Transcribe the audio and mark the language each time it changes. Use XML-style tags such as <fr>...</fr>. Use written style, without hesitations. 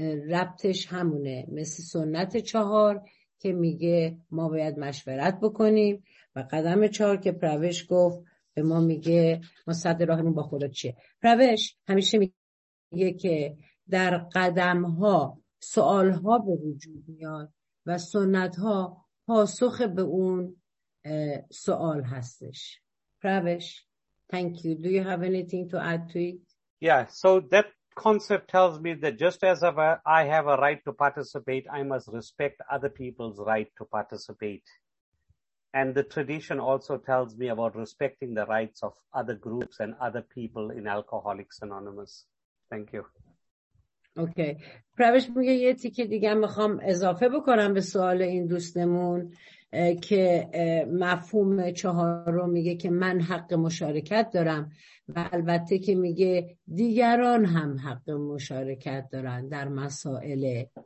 <fa>ربطش همونه مثل سنت چهار که میگه ما باید مشورت بکنیم و قدم چهار که پروش گفت به ما میگه ما صد راهمون با خدا چیه. پروش همیشه میگه که در قدم ها سوال ها به وجود میاد و سنت ها پاسخ به اون سوال هستش.</fa> <en>پروش. Thank you. Do you have anything to add to it? Yeah, so that concept tells me that just as I have a right to participate, I must respect other people's right to participate. And the tradition also tells me about respecting the rights of other groups and other people in Alcoholics Anonymous. Thank you. Okay.</en> <fa>پروش میگه یه تیکه دیگه میخوام اضافه بکنم به سوال این دوستمون که مفهوم چهارم میگه که من حق مشارکت دارم و البته که میگه دیگران هم حق مشارکت دارن در مسائل</fa>